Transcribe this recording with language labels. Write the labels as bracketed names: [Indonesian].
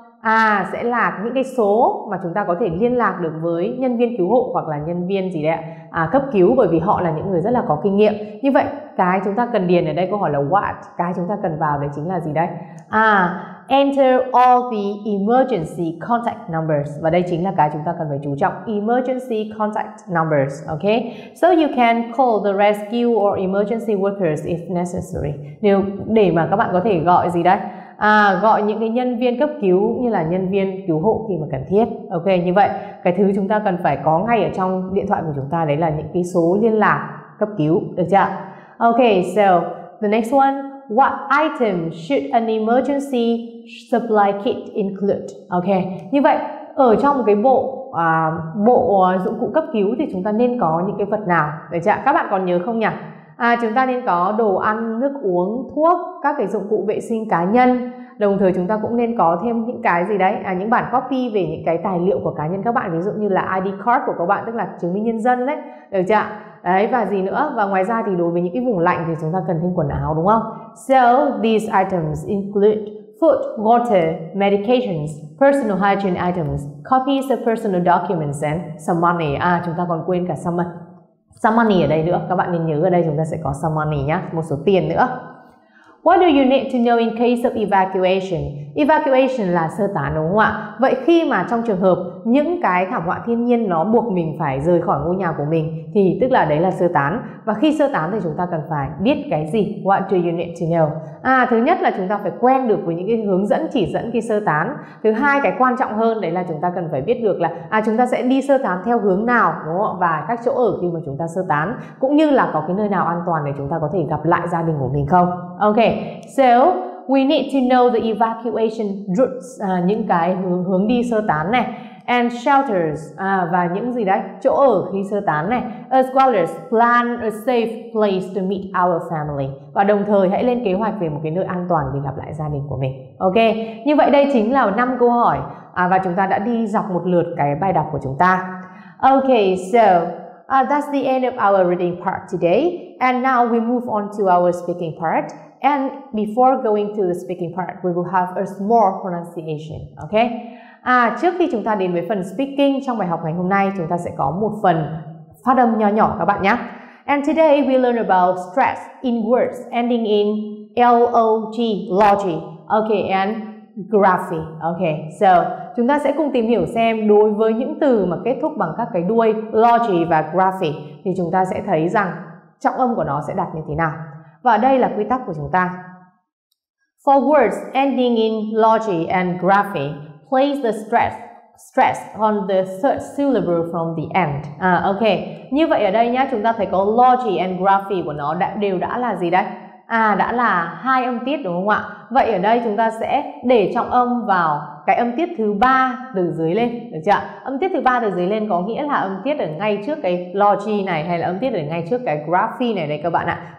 [Vietnamese] À, sẽ là những cái số mà chúng ta có thể liên lạc được với nhân viên cứu hộ hoặc là nhân viên gì đấy ạ, cấp cứu, bởi vì họ là những người rất là có kinh nghiệm. Như vậy, cái chúng ta cần điền ở đây, câu hỏi là what, cái chúng ta cần vào đấy chính là gì đây? [English] À, enter all the emergency contact numbers. [Vietnamese] Và đây chính là cái chúng ta cần phải chú trọng, [English] emergency contact numbers, okay? So you can call the rescue or emergency workers if necessary. [Vietnamese] Nếu để mà các bạn có thể gọi gì đấy? À, gọi những cái nhân viên cấp cứu như là nhân viên cứu hộ khi mà cần thiết. Ok, như vậy cái thứ chúng ta cần phải có ngay ở trong điện thoại của chúng ta đấy là những cái số liên lạc cấp cứu, được chưa? [English] Ok, so the next one, what item should an emergency supply kit include? [Vietnamese] Ok, như vậy ở trong một cái bộ dụng cụ cấp cứu thì chúng ta nên có những cái vật nào, được chưa? Các bạn còn nhớ không nhỉ? À, chúng ta nên có đồ ăn, nước uống, thuốc, các cái dụng cụ vệ sinh cá nhân. Đồng thời chúng ta cũng nên có thêm những cái gì đấy, à, những bản copy về những cái tài liệu của cá nhân các bạn, ví dụ như là ID card của các bạn, tức là chứng minh nhân dân đấy, được chưa? Đấy, và gì nữa? Và ngoài ra thì đối với những cái vùng lạnh thì chúng ta cần thêm quần áo, đúng không? [English] So these items include food, water, medications, personal hygiene items, copies of personal documents and some money. [Vietnamese] À, chúng ta còn quên cả [English] some money. [Vietnamese] Some money ở đây nữa, các bạn nên nhớ ở đây chúng ta sẽ có some money nhá, một số tiền nữa. [English] What do you need to know in case of evacuation? [Vietnamese] Evacuation là sơ tán, đúng không ạ? Vậy khi mà trong trường hợp những cái thảm họa thiên nhiên nó buộc mình phải rời khỏi ngôi nhà của mình thì tức là đấy là sơ tán. Và khi sơ tán thì chúng ta cần phải biết cái gì? [English] What do you need to know? [Vietnamese] À, thứ nhất là chúng ta phải quen được với những cái hướng dẫn chỉ dẫn khi sơ tán. Thứ hai, cái quan trọng hơn đấy là chúng ta cần phải biết được là chúng ta sẽ đi sơ tán theo hướng nào, đúng không ạ? Và các chỗ ở khi mà chúng ta sơ tán, cũng như là có cái nơi nào an toàn để chúng ta có thể gặp lại gia đình của mình không? [English] Ok, so we need to know the evacuation routes, [Vietnamese] những cái hướng đi sơ tán này, [English] and shelters, [Vietnamese] và những gì đấy, chỗ ở khi sơ tán này, [English] as well as plan a safe place to meet our family. [Vietnamese] Và đồng thời hãy lên kế hoạch về một cái nơi an toàn để gặp lại gia đình của mình. Ok, như vậy đây chính là 5 câu hỏi, và chúng ta đã đi dọc một lượt cái bài đọc của chúng ta. [English] Ok, so that's the end of our reading part today, and now we move on to our speaking part. And before going to the speaking part, we will have a small pronunciation, okay? [Vietnamese] À, trước khi chúng ta đến với phần speaking trong bài học ngày hôm nay, chúng ta sẽ có một phần phát âm nhỏ nhỏ các bạn nhé. [English] And today we learn about stress in words ending in L-O-G, logy, okay, and graphy, okay. [Vietnamese] So, chúng ta sẽ cùng tìm hiểu xem đối với những từ mà kết thúc bằng các cái đuôi logy và graphy thì chúng ta sẽ thấy rằng trọng âm của nó sẽ đặt như thế nào. Và đây là quy tắc của chúng ta. [English] For words ending in logy and graphy, place the stress on the third syllable from the end. À, ok. [Vietnamese] Như vậy ở đây nhá, chúng ta thấy có logy and graphy của nó đều đã là gì đấy? À, đã là hai âm tiết, đúng không ạ? Vậy ở đây chúng ta sẽ để trọng âm vào cái âm tiết thứ ba từ dưới lên, được chưa? Âm tiết thứ ba từ dưới lên có nghĩa là âm tiết ở ngay trước cái logy này, hay là âm tiết ở ngay trước cái graphy này đây các bạn ạ.